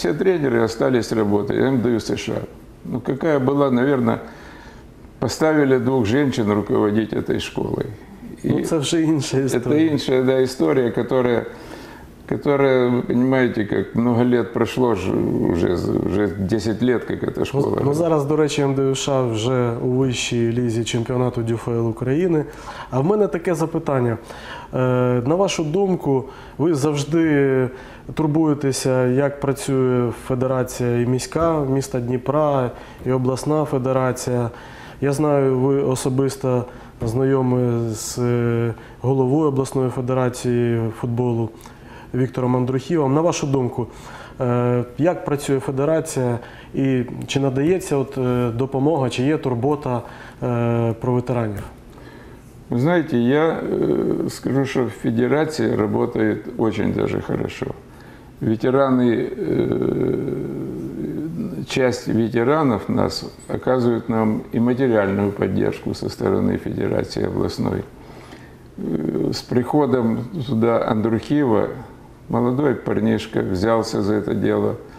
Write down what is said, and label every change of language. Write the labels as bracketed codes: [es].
[ru] Все тренеры остались работать, МДУ США. Ну, какая была, наверное, поставили 2 женщин руководить этой школой. И ну, это уже иншая история. Это иншая, да, история, которая, понимаете, как много лет прошло, уже 10 лет, как эта школа. [uk] Ну, зараз, до речі, МДУ США вже у вищій лізі чемпіонату ДЮФЛ України. А в мене таке запитання. На вашу думку, ви завжди турбуєтеся, як працює федерація і міська, міста Дніпра, і обласна федерація. Я знаю, ви особисто знайомі з головою обласної федерації футболу Віктором Андрухівим. На вашу думку, як працює федерація і чи надається от допомога, чи є турбота про ветеранів? Ви знаєте, я скажу, що федерація працює дуже навіть добре. Ветерани, часть ветеранів нас оказують нам і матеріальну підтримку зі сторони федерації обласної. З приходом сюди [ru] Андрухіва молодой парнишка взялся за это дело.